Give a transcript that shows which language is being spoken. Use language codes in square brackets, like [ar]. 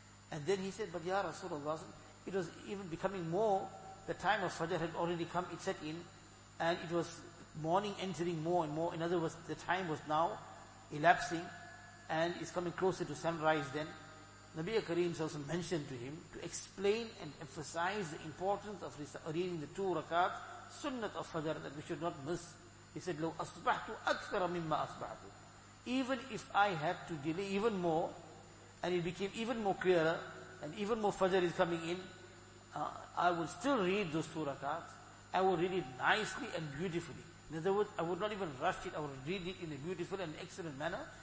[en] And then he said, but Ya Rasulullah, it was even becoming more, the time of Fajr had already come, it set in, and it was morning entering more and more. In other words, the time was now elapsing, and it's coming closer to sunrise then. Nabi Kareem also mentioned to him to explain and emphasize the importance of reading the two rakat, sunnat of Fajr, that we should not miss. [ar] He said, لو أصبحت أكثر مما أصبحت. [en] Even if I had to delay even more, and it became even more clearer, and even more Fajr is coming in, I would still read those two rakat. I would read it nicely and beautifully. In other words, I would not even rush it, I would read it in a beautiful and excellent manner.